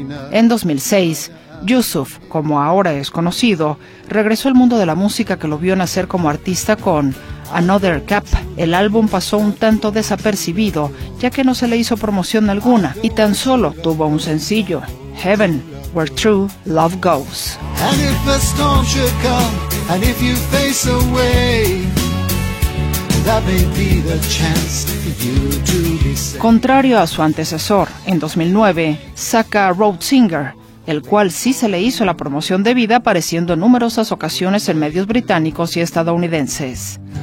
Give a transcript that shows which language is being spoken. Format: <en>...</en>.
<es>En 2006, Yusuf, como ahora es conocido, regresó al mundo de la música que lo vio nacer como artista con Another Cup, el álbum pasó un tanto desapercibido, ya que no se le hizo promoción alguna, y tan solo tuvo un sencillo, Heaven, Where True Love Goes.</es> <en>And if the storm should come, and if you face away, that may be the chance for you to be safe.</en> <es>Contrario a su antecesor, en 2009, saca Road Singer, el cual sí se le hizo la promoción debida apareciendo en numerosas ocasiones en medios británicos y estadounidenses.</es>